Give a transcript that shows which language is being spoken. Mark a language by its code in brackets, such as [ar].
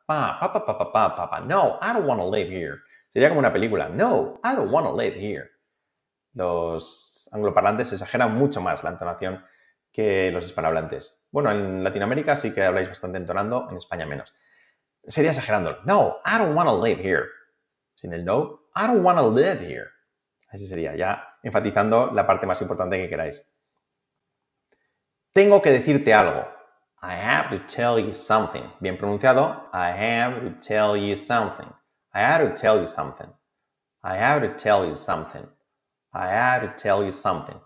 [en] Pa, pa, pa, pa, pa, pa, pa. No, I don't want to live here. [es] Sería como una película. [en] No, I don't want to live here. [es] Los angloparlantes exageran mucho más la entonación que los hispanohablantes. Bueno, en Latinoamérica sí que habláis bastante entonando, en España menos. Sería exagerando. [en] No, I don't want to live here. [es] Sin el [en] no, I don't want to live here. [es] Así sería, ya enfatizando la parte más importante que queráis. Tengo que decirte algo. [en] I have to tell you something. [es] Bien pronunciado. [en] I have to tell you something. I have to tell you something. I have to tell you something. I have to tell you something.